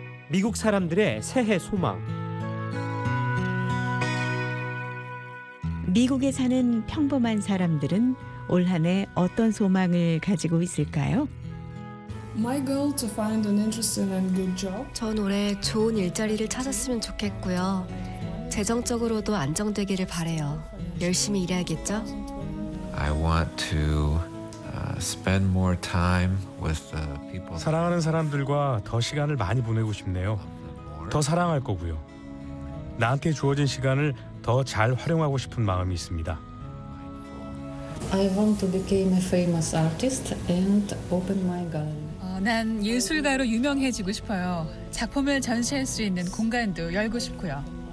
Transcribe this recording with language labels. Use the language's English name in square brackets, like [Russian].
[Korean] 미국 사람들의 새해 소망. 미국에 사는 평범한 사람들은 올 한해 어떤 소망을 가지고 있을까요? [English] My goal to find an interesting and good job. [Korean] 전 올해 좋은 일자리를 찾았으면 좋겠고요. 재정적으로도 안정되기를 바래요. 열심히 일해야겠죠? [English] I want to spend more time with the people. [Korean] 사랑하는 사람들과 더 시간을 많이 보내고 싶네요. 더 사랑할 거고요. 나한테 주어진 시간을 더 잘 활용하고 싶은 마음이 있습니다. [English] I want to become a famous artist and open my gallery. [Korean] 난 예술가로 유명해지고 싶어요. 작품을 전시할 수 있는 공간도 열고 싶고요.